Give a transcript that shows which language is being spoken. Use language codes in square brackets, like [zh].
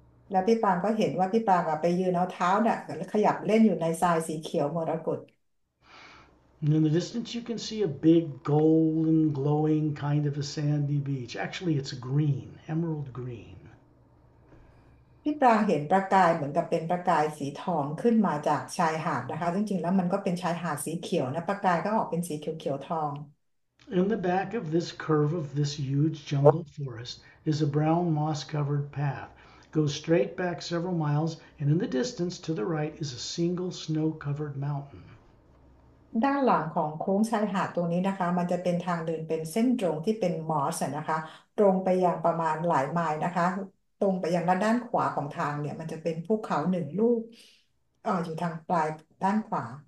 [th] แล้วพี่ปรางก็เห็นว่าพี่ปรางไปยืนเอาเท้าเนี่ยขยับเล่นอยู่ในทรายสีเขียวมรกต [en] And in the distance, you can see a big, golden, glowing kind of a sandy beach. Actually, it's green, emerald green. [th] พี่ปราเห็นประกายเหมือนกับเป็นประกายสีทองขึ้นมาจากชายหาดนะคะจริงๆแล้วมันก็เป็นชายหาดสีเขียวนะประกายก็ออกเป็นสีเขียวๆทอง [en] In the back of this curve of this huge jungle forest is a brown moss-covered path. Goes straight back several miles, and in the distance to the right is a single snow-covered mountain. [th] ด้านหลังของโค้งชายหาดตรงนี้นะคะมันจะเป็นทางเดินเป็นเส้นตรงที่เป็นมอสนะคะตรงไปอย่างประมาณหลายไมล์นะคะตรงไปยังด้านขวาของทางเนี่ยมันจะเป็นภูเขาหนึ่งลูกอยู่ทางปลายด้านขวา